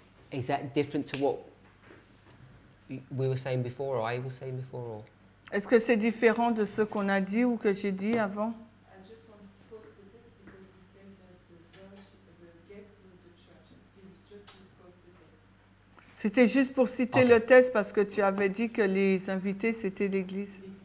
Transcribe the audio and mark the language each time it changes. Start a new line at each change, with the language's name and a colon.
English: Is that different to what we were saying before, or I was saying before, or?
French: Est-ce que c'est différent de ce qu'on a dit ou que j'ai dit avant?
English: I just want to quote the text because we said that the guest was the church. It is just to quote the text.
French: C'était juste pour citer okay. Le texte parce que tu avais dit que les invités c'était l'Église.